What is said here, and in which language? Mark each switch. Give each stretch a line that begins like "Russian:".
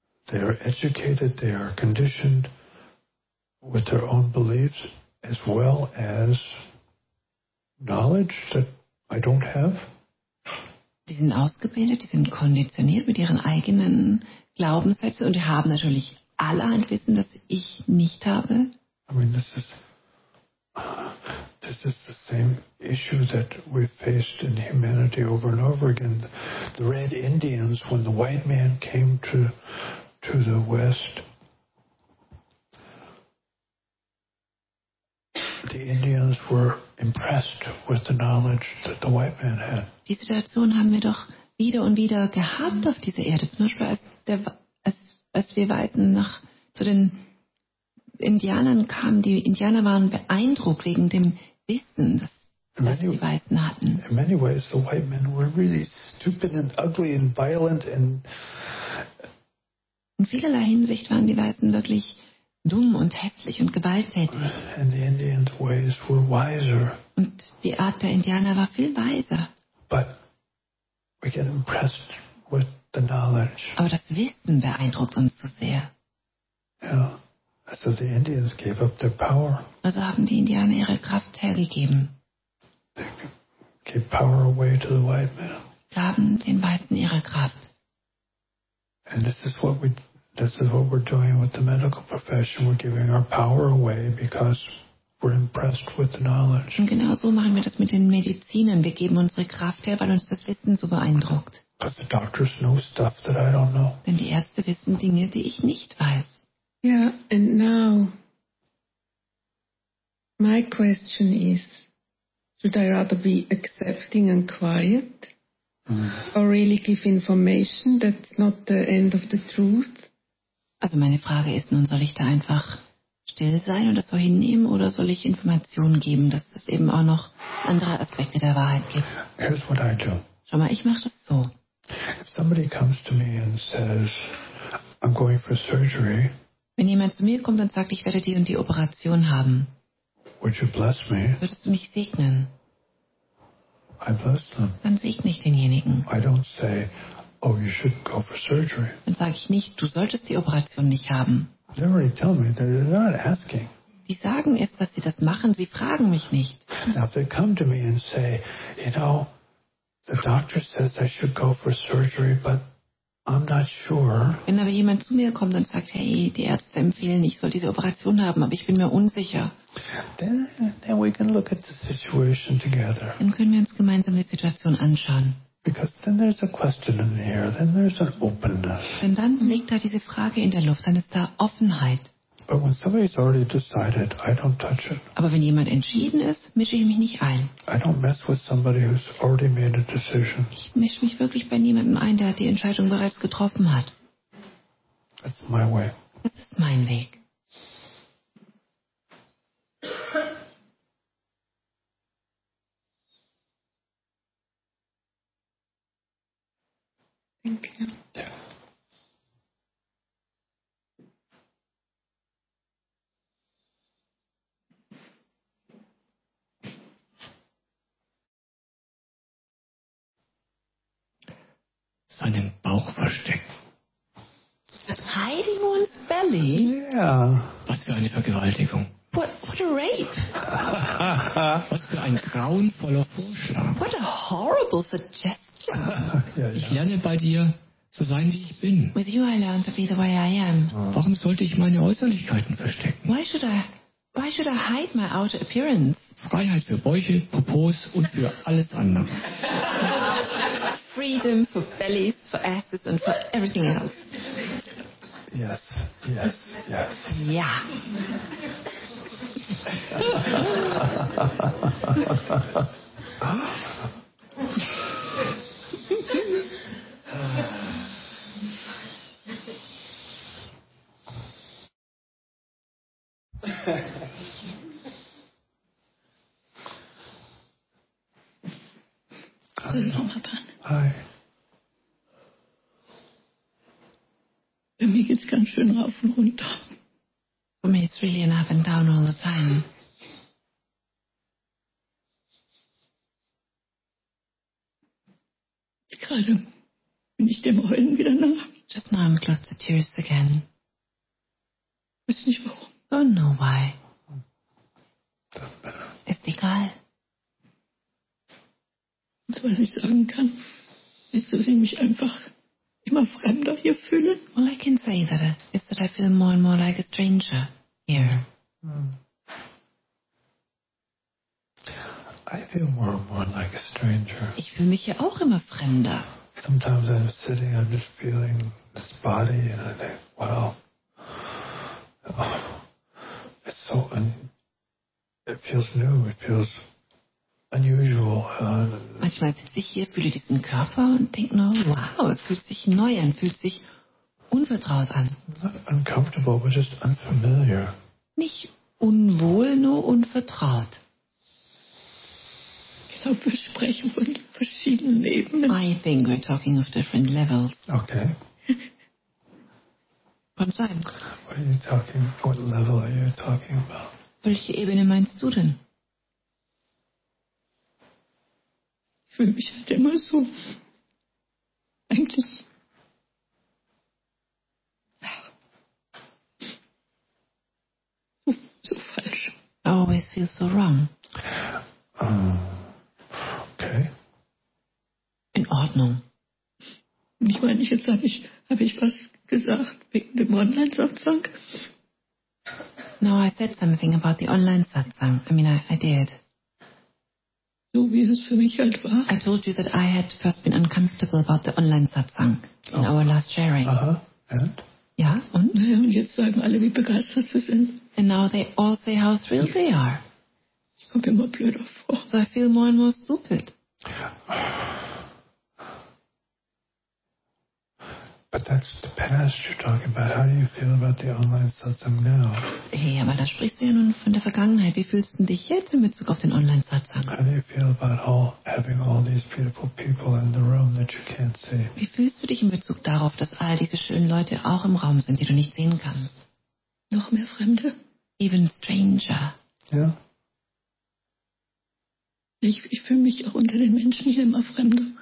English: They are educated, they are conditioned with their own beliefs as well as knowledge that I don't have.
German: Die sind ausgebildet, die sind konditioniert mit ihren eigenen Glaubenssätzen und die haben natürlich allerhand Wissen, das ich nicht habe.
English: I mean, this is the same issue that we faced in humanity over and over again. The Red Indians, when the white man came to the West, the Indians were impressed with the knowledge that the white man had.
German: Die Situation haben wir doch wieder und wieder gehabt auf dieser Erde. Zum Beispiel als wir weiten nach zu den Indianern kamen, die Indianer waren beeindruckt wegen dem Wissen, das
English: In many ways, the white men were really stupid and ugly and violent and.
German: In vielerlei Hinsicht waren die Weißen wirklich dumm und hässlich und gewalttätig.
English: And the Indians' ways were wiser.
German: Und die Art der Indianer war viel weiser.
English: But we get impressed with the knowledge.
German: Aber das Wissen beeindruckt uns so sehr.
English: Yeah. So the Indians gave up their power.
German: Also haben die Indianer ihre Kraft hergegeben.
English: They gave power away to the white man.
German: Gaben den Weißen ihre Kraft.
English: And this is what we're doing with the medical profession. We're giving our power away because we're impressed with the knowledge.
German: Und genau so machen wir das mit den Medizinern. Wir geben unsere Kraft her, weil uns das Wissen so beeindruckt.
English: Because the doctors know stuff that I don't know.
German: Denn die Ärzte wissen Dinge, die ich nicht weiß.
English: Yeah, and now my question is, should I rather be accepting and quiet, or really give information that's not the end of the truth?
German: Also meine Frage ist nun, soll ich da einfach still sein und das so hinnehmen, oder soll ich Informationen geben, dass es eben auch noch andere Aspekte der Wahrheit gibt?
English: Here's what I do.
German: Schau mal, ich mache das so.
English: If somebody comes to me and says, I'm going for surgery,
German: wenn jemand zu mir kommt und sagt, ich werde die und die Operation haben,
English: would you bless me?
German: Würdest du mich segnen?
English: I bless them.
German: Dann segne ich denjenigen.
English: I don't say, oh, you shouldn't go for surgery.
German: Dann sage ich nicht, du solltest die Operation nicht haben.
English: They already tell me that they're not asking.
German: Die sagen es, dass sie das machen, sie fragen mich nicht.
English: Now, if they come to me and say, you know, the doctor says I should go for surgery, but I'm not sure.
German: Wenn aber jemand zu mir kommt und sagt, hey, die Ärzte empfehlen, ich soll diese Operation haben, aber ich bin mir unsicher.
English: Then we can look at the situation together.
German: Dann können wir uns gemeinsam die Situation anschauen.
English: Because then there's a question in the air, then there's an openness.
German: Denn dann liegt da diese Frage in der Luft, dann ist da Offenheit.
English: But when somebody's already decided, I don't touch it.
German: Aber wenn jemand entschieden ist, mische ich mich nicht ein.
English: I don't mess with somebody who's already made a decision.
German: Ich mische mich wirklich bei niemandem ein, der die Entscheidung bereits getroffen hat.
English: That's my way.
German: Das ist mein Weg.
English: Thank you. Yeah.
German: Seinen Bauch verstecken.
English: Hiding one's belly? Yeah.
German: Was für eine Vergewaltigung.
English: What a rape.
German: Was für ein grauenvoller Vorschlag.
English: What a horrible suggestion.
German: Ich lerne bei dir, so sein, wie ich bin.
English: With you I learn to be the way I am.
German: Warum sollte ich meine Äußerlichkeiten verstecken?
English: Why should I hide my outer appearance?
German: Freiheit für Bäuche, Popos und für alles andere.
English: Freedom for bellies, for asses and for everything else. Yes, yes, yes. Yeah. Hi.
German: Bei mir geht's ganz schön rauf und runter.
English: For me it's really an up and down all the time.
German: Gerade bin ich dem Heulen wieder nah.
English: Just now I'm close to tears again.
German: Weiß nicht warum.
English: Don't know why.
German: Ist egal. Und was ich sagen kann, ist, dass ich mich einfach immer fremder hier fühle.
English: All I can say that is that I feel more and more like a stranger here. I feel more and more like a stranger.
German: Ich fühle mich ja auch immer fremder.
English: Sometimes I'm sitting, I'm just feeling this body and I think, wow, it's so it feels new, it feels unusual.
German: Manchmal sitze ich hier, fühle diesen Körper und denke nur, wow, es fühlt sich neu an, fühlt sich unvertraut an.
English: Not uncomfortable, but just unfamiliar.
German: Nicht unwohl, nur unvertraut. deshalb wir sprechen von verschiedenen Ebenen.
English: I think we're talking of different levels. Okay.
German: Kann sein.
English: What are you talking, what level are you talking about?
German: Welche Ebene meinst du denn? Für mich halt immer so eigentlich so falsch.
English: I always feel so wrong. Okay.
German: In Ordnung. Ich meine, jetzt habe ich was gesagt wegen dem Online-Satzang.
English: No, I said something about the Online-Satzang. I mean, I did.
German: So wie es für mich halt war.
English: I told you that I had first been uncomfortable about the Online-Satzang in our last sharing. Aha, and?
German: Ja, und? Naja, und jetzt sagen alle, wie begeistert sie sind.
English: And now they all say how thrilled they are.
German: Ich komme immer blöder vor.
English: So I feel more and more stupid. But that's the past you're talking about. How do you feel about the online satsang now?
German: Hey, aber da sprichst du ja nun von der Vergangenheit. Wie fühlst du dich jetzt in Bezug auf den online satsang?
English: How do you feel about having all these beautiful people in the room that you can't see?
German: Wie fühlst du dich in Bezug darauf, dass all diese schönen Leute auch im Raum sind, die du nicht sehen kannst? Noch mehr Fremde?
English: Even stranger. Yeah.
German: Ich fühle mich auch unter den Menschen hier immer fremder.